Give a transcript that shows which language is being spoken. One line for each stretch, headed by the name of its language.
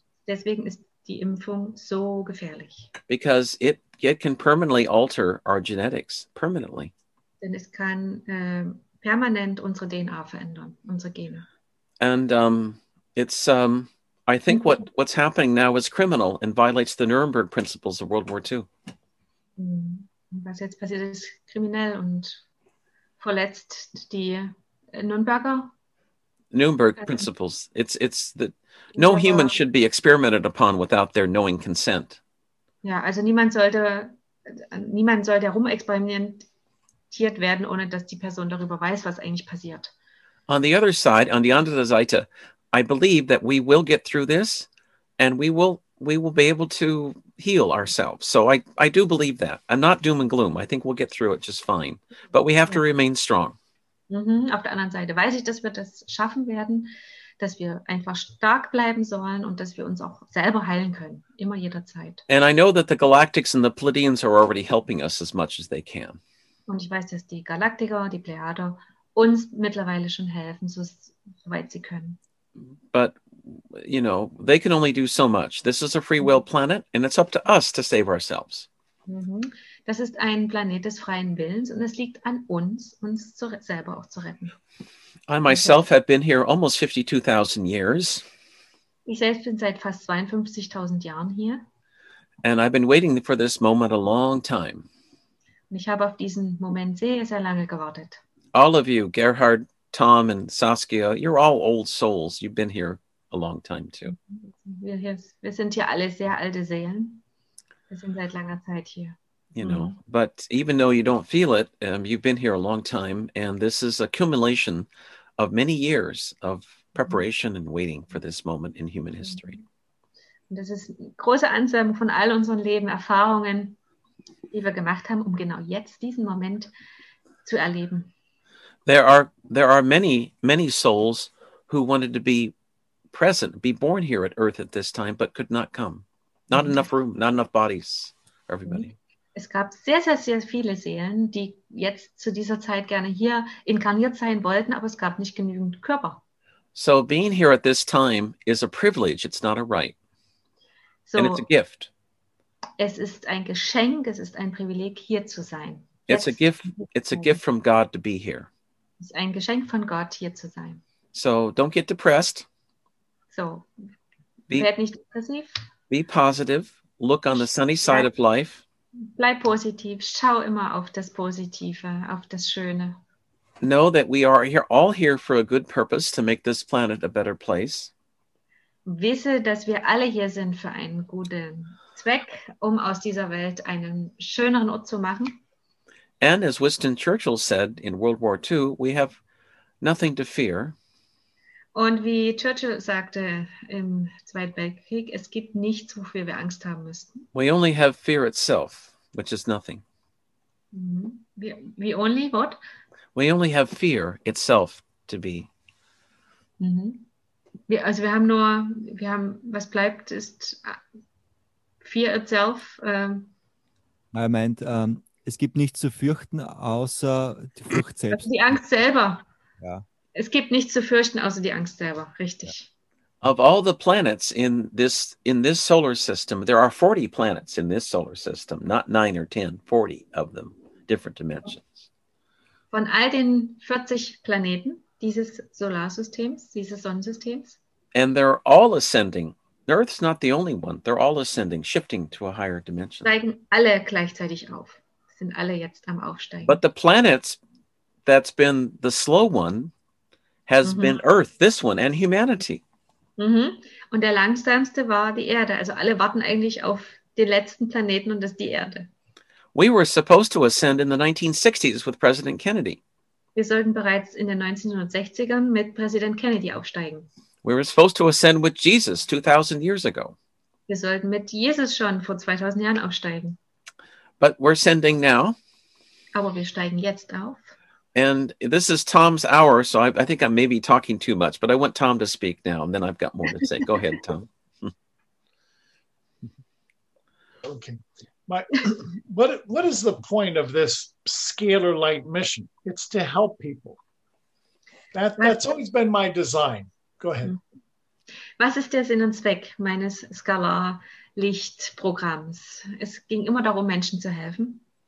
German: Deswegen ist die Impfung so gefährlich.
English: Because it can permanently alter our genetics, permanently.
German: Denn es kann permanent unsere DNA verändern, unsere Gene.
English: And I think what's happening now is criminal and violates the Nuremberg principles of World War II.
German: Was jetzt passiert ist kriminell und verletzt die Nuremberg
English: principles. It's that no human should be experimented upon without their knowing consent.
German: Ja, also niemand sollte herumexperimentiert werden, ohne dass die Person darüber weiß, was eigentlich passiert.
English: On the other side, on the
German: andere Seite,
English: I believe that we will get through this and we will be able to heal ourselves. So I do believe that. I'm not doom and gloom. I think we'll get through it just fine. But we have to remain strong.
German: Auf der anderen Seite weiß ich, dass wir das schaffen werden, dass wir einfach stark bleiben sollen und dass wir uns auch selber heilen können, immer jederzeit.
English: And I know that the Galactics and the Pleiadians are already helping us as much as they can.
German: Und ich weiß, dass die Galaktiker, die Plejader uns mittlerweile schon helfen, soweit sie können.
English: But, you know, they can only do so much. This is a free will planet and it's up to us to save ourselves.
German: Das ist ein Planet des freien Willens und es liegt an uns, uns selber auch zu retten.
English: I myself have been here almost 52,000 years.
German: Ich selbst bin seit fast 52,000 Jahren hier.
English: And I've been waiting for this moment a long time.
German: Ich habe auf diesen Moment sehr, sehr lange gewartet.
English: All of you, Gerhard, Tom and Saskia, you're all old souls. You've been here a long time too.
German: Wir sind hier alle sehr alte Seelen. Wir sind seit langer Zeit hier.
English: You know, but even though you don't feel it, you've been here a long time, and this is accumulation of many years of preparation and waiting for this moment in human history.
German: Und das ist eine große Ansammlung von all unseren Leben, Erfahrungen, die wir gemacht haben, um genau jetzt diesen Moment zu erleben.
English: There are many, many souls who wanted to be present, be born here at Earth at this time, but could not come. Not enough room, not enough bodies, everybody.
German: Es gab sehr, sehr, sehr viele Seelen, die jetzt zu dieser Zeit gerne hier inkarniert sein wollten, aber es gab nicht genügend Körper.
English: So being here at this time is a privilege, it's not a right. So, and it's a gift.
German: Es ist ein Geschenk, es ist ein Privileg, hier zu sein.
English: It's a gift from God to be here.
German: Es ist ein Geschenk von Gott, hier zu sein.
English: So don't get depressed.
German: So, werd nicht depressiv.
English: Be positive, look on the sunny side of life.
German: Bleib positiv, schau immer auf das Positive, auf das Schöne.
English: Know that we are here, all here for a good purpose, to make this planet a better place.
German: Wisse, dass wir alle hier sind für einen guten Zweck, um aus dieser Welt einen schöneren Ort zu machen.
English: And as Winston Churchill said in World War II, we have nothing to fear.
German: Und wie Churchill sagte im Zweiten Weltkrieg, es gibt nichts, wofür wir Angst haben müssten.
English: We only have fear itself, which is nothing. We only what? We only have fear itself to be.
German: Also wir haben, was bleibt, ist
English: fear itself. I meant,
German: es gibt nichts zu fürchten, außer die Furcht selbst. Also die Angst selber. Ja. Es gibt nichts zu fürchten, außer die Angst selber. Richtig.
English: Of all the planets in this solar system, there are 40 planets in this solar system, not 9 or 10, 40 of them, different dimensions.
German: Von all den 40 Planeten dieses Solarsystems, dieses Sonnensystems.
English: And they're all ascending. Earth's not the only one. They're all ascending, shifting to a higher dimension.
German: Steigen alle gleichzeitig auf. Sind alle jetzt am Aufsteigen.
English: But the planets that's been the slow one has been Earth, this one, and humanity. Mm-hmm.
German: Und der langsamste war die Erde. Also alle warten eigentlich auf den letzten Planeten und das ist die Erde.
English: We were supposed to ascend in the 1960s with President Kennedy.
German: Wir sollten bereits in den 1960ern mit Präsident Kennedy aufsteigen.
English: We were supposed to ascend with Jesus 2000 years ago.
German: Wir sollten mit Jesus schon vor 2000 Jahren aufsteigen.
English: But we're ascending now.
German: Aber wir steigen jetzt auf.
English: And this is Tom's hour, so I think I'm maybe talking too much, but I want Tom to speak now, and then I've got more to say. Go ahead, Tom. Okay. What is the point of this scalar light mission? It's to help people. That's always been my design. Go ahead.
German: Was ist der Sinn und Zweck meines Skalarlichtprogramms? Es ging immer darum, Menschen zu helfen.